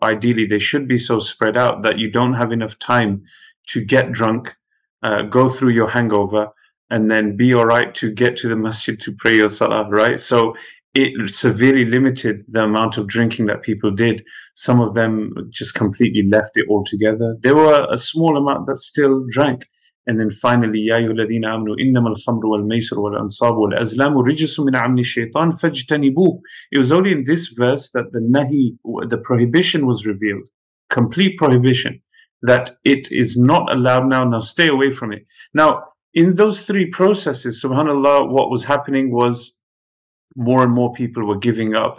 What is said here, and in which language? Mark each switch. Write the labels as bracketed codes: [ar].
[en] Ideally, they should be so spread out that you don't have enough time to get drunk, go through your hangover, and then be all right to get to the masjid to pray your salah, right? So it severely limited the amount of drinking that people did. Some of them just completely left it altogether. There were a small amount that still drank. And then finally, [ar] يَا أَيُّهُ الَّذِينَ آمَنُوا إِنَّمَا الْخَمْرُ وَالْمَيْسِرُ وَالْأَنْصَابُ وَالْأَزْلَامُ رِجْسٌ مِّنْ عَمَلِ الشَّيْطَانِ فَاجْتَنِبُوهُ. [en] It was only in this verse that the nahi, the prohibition was revealed. Complete prohibition. That it is not allowed now stay away from it. Now, in those three processes, subhanAllah, what was happening was more and more people were giving up.